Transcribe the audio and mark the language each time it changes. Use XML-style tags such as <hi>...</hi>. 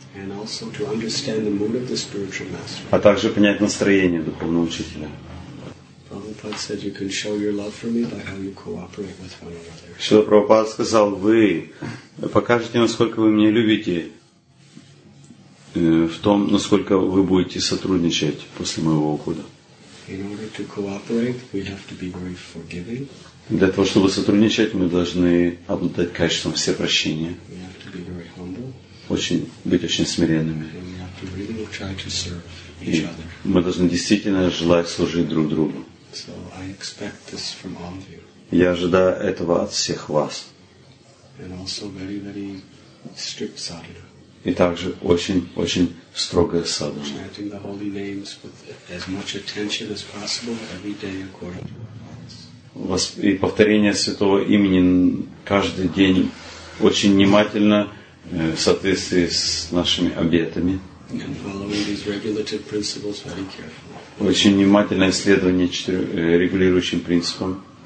<en>And also to understand the mood of the spiritual master.</en> <ru>А также понять настроение духовного учителя.</ru> <en>Prabhupada said, "You can show your love for me by how you cooperate with one another."</en> <ru>Шрила Прабхупада сказал, вы покажете, насколько вы меня любите, в том, насколько вы будете сотрудничать после моего ухода.</ru> <en>In order to cooperate, we have to be very forgiving.</en> <ru>Для того, чтобы сотрудничать, мы должны обладать качеством всепрощения.</ru> <en>We have to be very humble.</en> <ru>Быть очень смиренными.</ru> <en>And we have to really try to serve each other.</en> <ru>И мы должны действительно желать служить друг другу.</ru> <en>So I expect this from all of you.</en> <ru>Я ожидаю этого от всех вас.</ru> <en>And also very, very strict sadhana.</en> <ru>И также очень-очень строгая садхана.</ru> <en>Chanting the holy names with as much attention as possible every day according to us.</en> <ru>И повторение святого имени каждый день очень внимательно в соответствии с нашими обетами.</ru> <en>And following these regulative principles very carefully.</en> <ru>Очень внимательное исследование регулирующим принципам.</ru>